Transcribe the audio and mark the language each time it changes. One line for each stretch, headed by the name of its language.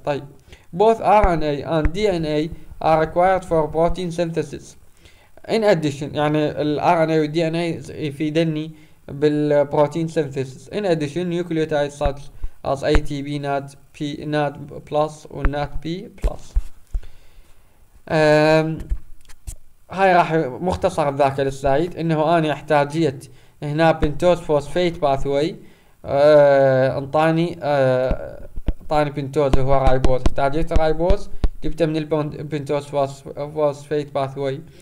English: طيب both RNA and DNA are required for protein synthesis. In addition
Arabic: يعني ال RNA و DNA يفيدني بالبروتين synthesis.
English: In addition nucleotides such as ATP NAD P NAD plus و NAD P plus.
Arabic: هاي راح مختصر ذاك السلايد، انه انا احتاجية هنا بنتوز فوسفيت باثوي انطاني طاني بنتوز هو رايبوز، احتاجيت رايبوز جبته من البنتوز فوسفيت باثوي.